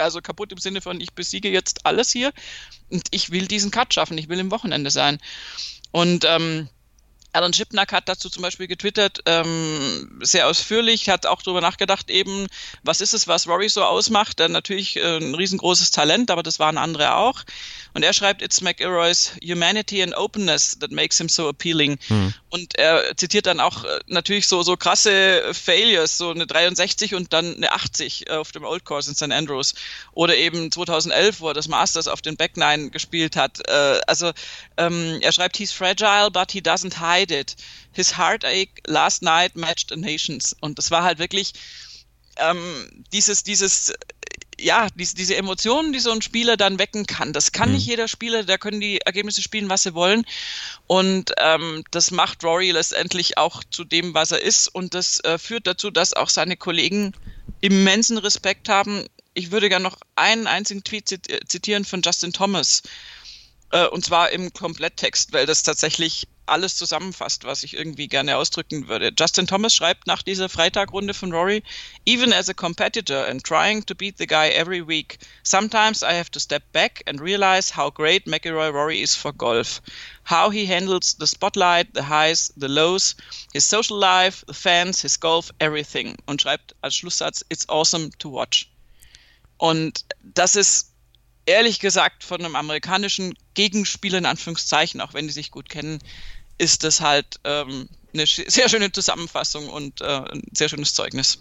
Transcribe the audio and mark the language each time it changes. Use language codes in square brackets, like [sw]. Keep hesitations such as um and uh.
[de] Also kaputt im Sinne von, ich besiege jetzt alles hier und ich will diesen Cut schaffen, ich will im Wochenende sein. Und ähm, Alan Schipnack hat dazu zum Beispiel getwittert, ähm, sehr ausführlich, hat auch darüber nachgedacht, eben, was ist es, was Rory so ausmacht? Dann natürlich äh, ein riesengroßes Talent, aber das waren andere auch. Und er schreibt, [en] it's McElroy's humanity and openness that makes him so appealing. [de] Und er zitiert dann auch äh, natürlich so, so krasse Failures, so eine 63 und dann eine 80 äh, auf dem Old Course in St. Andrews. Oder eben 2011, wo er das Masters auf den Back Nine gespielt hat. Äh, also ähm, er schreibt, [en] he's fragile, but he doesn't hide it. His heartache last night matched a nation's. [de] Und das war halt wirklich ähm, dieses, dieses, äh, ja, diese, diese Emotionen, die so ein Spieler dann wecken kann. Das kann nicht jeder Spieler, da können die Ergebnisse spielen, was sie wollen. Und ähm, das macht Rory letztendlich auch zu dem, was er ist. Und das äh, führt dazu, dass auch seine Kollegen immensen Respekt haben. Ich würde gerne noch einen einzigen Tweet zit äh, zitieren von Justin Thomas. Äh, und zwar im Kompletttext, weil das tatsächlich alles zusammenfasst, was ich irgendwie gerne ausdrücken würde. Justin Thomas schreibt nach dieser Freitagrunde von Rory, [en] even as a competitor and trying to beat the guy every week, sometimes I have to step back and realize how great McIlroy Rory is for golf. How he handles the spotlight, the highs, the lows, his social life, the fans, his golf, everything. [de] Und schreibt als Schlusssatz, [en] it's awesome to watch. [de] Und das ist ehrlich gesagt von einem amerikanischen Gegenspieler in Anführungszeichen, auch wenn die sich gut kennen, ist das halt ähm, eine sch- sehr schöne Zusammenfassung und äh, ein sehr schönes Zeugnis.